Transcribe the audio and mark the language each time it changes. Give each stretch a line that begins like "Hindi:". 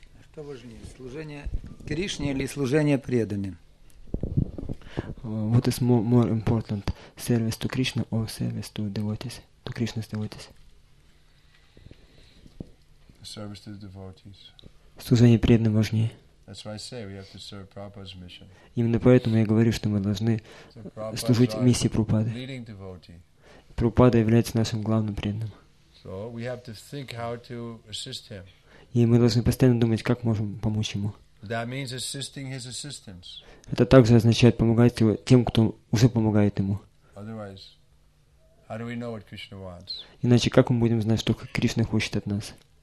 Russian: Что важнее, служение Кришне или служение преданным?
English: What is more important, service to Krishna or service to devotees? To Krishna's devotees? Service to the devotees.
Russian: Служение преданным важнее.
English: That's why I say we have to serve Prabhupada's mission.
Russian: Именно поэтому я говорю, что мы должны служить миссии Прабхупады.
English: Leading devotee.
Russian: Прабхупада является нашим главным преданным.
English: So we have to think how to assist him.
Russian: И мы должны постоянно думать, как можем помочь ему.
English: That means assisting his assistants.
Russian: Это также означает помогать его тем, кто уже помогает ему.
English: Otherwise, how do we know what Krishna wants?
Russian: Иначе как мы будем знать, что Кришна хочет от нас?